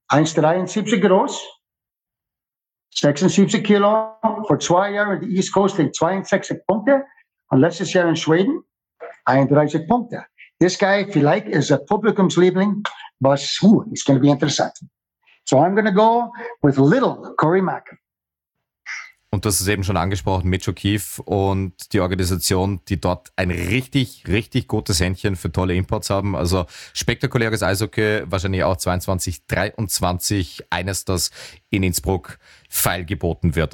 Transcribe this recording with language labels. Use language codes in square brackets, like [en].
[de] 1,73 groß. 76 Kilo. Vor 2 Jahren in der East Coast in 62 Punkte. Und letztes Jahr in Schweden 31 Punkte. [en] This guy [de] vielleicht ist ein Publikumsliebling, [en] was it's going to be [de] interessant. [en] So I'm going to go with little Corey Macken. [de] Und du hast es eben schon angesprochen, Mitch O'Keefe und die Organisation, die dort ein richtig, richtig gutes Händchen für tolle Imports haben. Also spektakuläres Eishockey, wahrscheinlich auch 22, 23, eines, das in Innsbruck feilgeboten wird.